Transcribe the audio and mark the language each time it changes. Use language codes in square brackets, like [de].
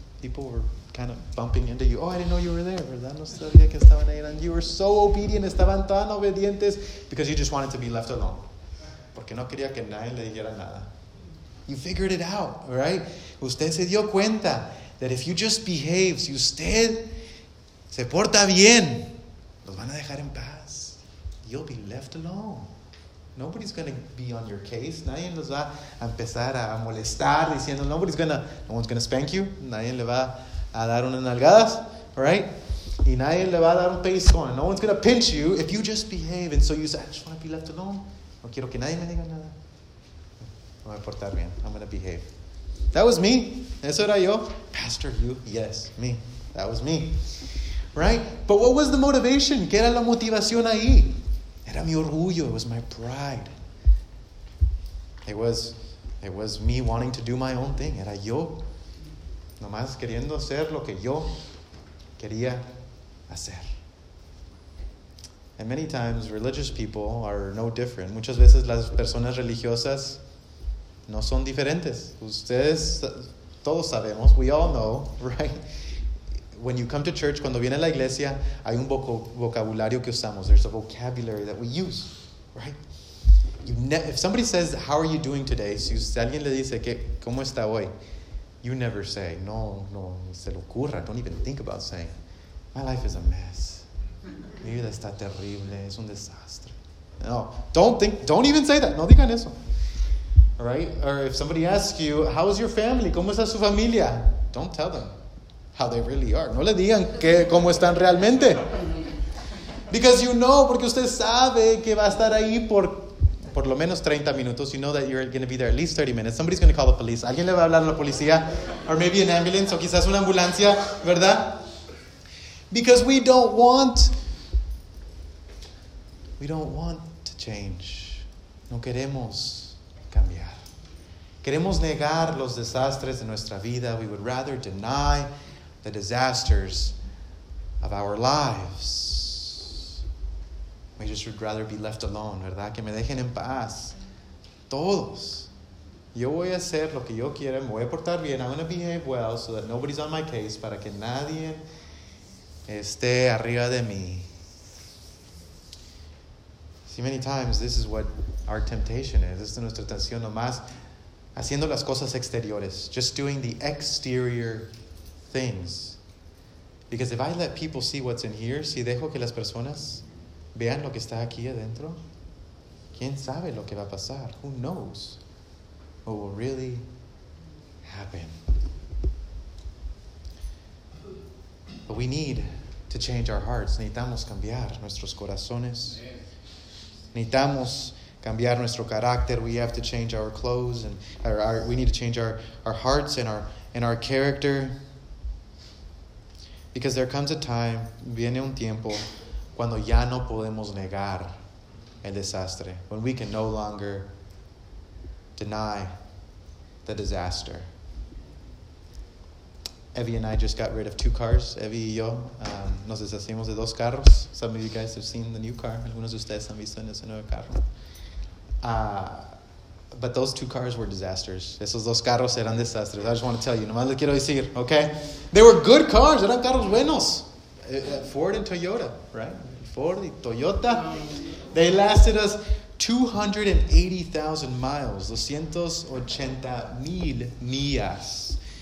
[en] People were kind of bumping into you. Oh, I didn't know you were there, [es] ¿verdad? No sabía que estaban ahí. [en] And you were so obedient, [es] estaban tan obedientes, [en] because you just wanted to be left alone. [es] Porque no quería que nadie le dijera nada. [en] You figured it out, right? [es] Usted se dio cuenta [en] that if you just behave, [es] si usted se porta bien, los van a dejar en paz. [en] You'll be left alone. Nobody's going to be on your case. [es] Nadie los va a empezar a molestar diciendo, [en] no one's going to spank you. [es] Nadie le va a dar unas nalgadas, right? Y nadie le va a dar un pellizcón. [en] No one's going to pinch you if you just behave. And so you say, I just want to be left alone. [es] No quiero que nadie me diga nada. [en] I'm going to portar bien. I'm going to behave. That was me. [es] Eso era yo. [en] Pastor, you. Yes, me. That was me. Right? But what was the motivation? [es] ¿Qué era la motivación ahí? Era mi orgullo. [en] It was my pride. It was me wanting to do my own thing. [es] Era yo. Nomás queriendo hacer lo que yo quería hacer. [en] And many times, religious people are no different. [es] Muchas veces las personas religiosas no son diferentes. Ustedes, todos sabemos, [en] we all know, right? When you come to church, [es] cuando viene a la iglesia, hay un vocabulario que usamos. [en] There's a vocabulary that we use, right? If somebody says, how are you doing today? [es] Si alguien le dice, ¿cómo está hoy? [en] You never say, [es] no, se le ocurra. [en] Don't even think about saying, my life is a mess. [es] Mi vida está terrible, es un desastre. No, [en] don't even say that. [es] No digan eso. Right? [en] Or if somebody asks you, how is your family? [es] ¿Cómo está su familia? [en] Don't tell them how they really are. [es] No le digan que cómo están realmente. [en] Because you know, [es] porque usted sabe que va a estar ahí por lo menos 30 minutos. [en] You know that you're going to be there at least 30 minutes. Somebody's going to call the police. [es] Alguien le va a hablar a la policía. [en] Or maybe an ambulance, [es] o quizás una ambulancia, ¿verdad? [en] Because we don't want to change. [es] No queremos cambiar. Queremos negar los desastres de nuestra vida. [en] We would rather deny the disasters of our lives. We just would rather be left alone, [es] ¿verdad? Que me dejen en paz. Todos. Yo voy a hacer lo que yo quiera. Me voy a portar bien. [en] I'm going to behave well so that nobody's on my case. [es] Para que nadie esté arriba de mí. [en] See, many times this is what our temptation is. [es] Esta es nuestra tentación nomás haciendo las cosas exteriores. [en] Just doing the exterior things. Because if I let people see what's in here, [es] si dejo que las personas vean lo que está aquí adentro, ¿quién sabe lo que va a pasar? [en] Who knows what will really happen? But we need to change our hearts. [es] Necesitamos cambiar nuestros corazones. Necesitamos cambiar nuestro carácter. [en] We have to change our clothes, and we need to change our hearts and our character. Because there comes a time, [es] viene un tiempo, cuando ya no podemos negar el desastre. [en] When we can no longer deny the disaster. Evie and I just got rid of 2 cars. [es] Evie y yo nos deshacimos de 2 carros. [en] Some of you guys have seen the new car. [es] Algunos de ustedes han visto en ese nuevo carro. [en] But those 2 cars were disasters. Esos 2 carros eran desastres. I just want to tell you. [es] Nomás les quiero decir, [en] okay? They were good cars. [es] Eran carros buenos. [en] Ford and Toyota, right? [es] Ford y Toyota. [en] They lasted us 280,000 miles. [es] 280 mil millas.